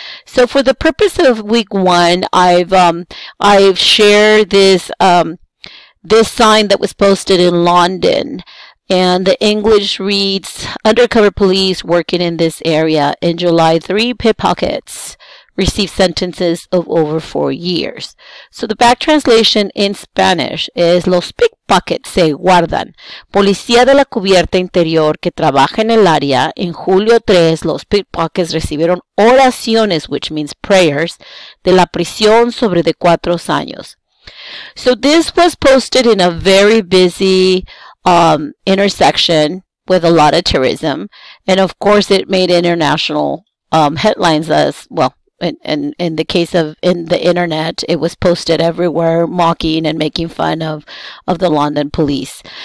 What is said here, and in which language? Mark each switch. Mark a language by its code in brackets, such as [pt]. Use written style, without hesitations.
[en] So for the purpose of week one, I've shared this this sign that was posted in London, and the English reads, undercover police working in this area in July, three pickpockets received sentences of over 4 years. So the back translation in Spanish is, [es] los pickpockets se guardan. Policía de la cubierta interior que trabaja en el área, en julio 3, los pickpockets recibieron oraciones, [en] which means prayers, [es] de la prisión sobre de 4 años. [en] So this was posted in a very busy intersection with a lot of tourism, and of course it made international headlines, as well, in the case of in the internet, it was posted everywhere mocking and making fun of the London police.